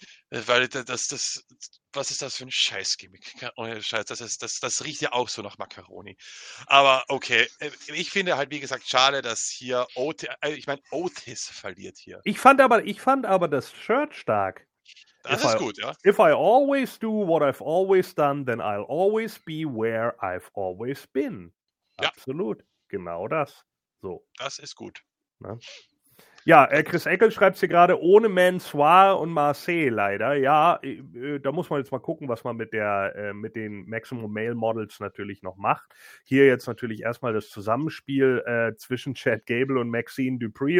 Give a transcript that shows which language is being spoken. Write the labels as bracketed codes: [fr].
[de] Weil das, was ist das für ein Scheißgimmick? Das riecht ja auch so nach Macaroni. Aber okay, ich finde halt, wie gesagt, schade, dass hier Otis verliert hier. Ich fand aber das Shirt stark. Das ist gut. [en] If I always do what I've always done, then I'll always be where I've always been. [de] Ja. Absolut. Genau das. So. Das ist gut. Na? Ja, Chris Eckel schreibt hier gerade ohne Mansoir und Marseille leider. Ja, da muss man jetzt mal gucken, was man mit den Maximum Male Models natürlich noch macht. Hier jetzt natürlich erstmal das Zusammenspiel zwischen Chad Gable und Maxine Dupri.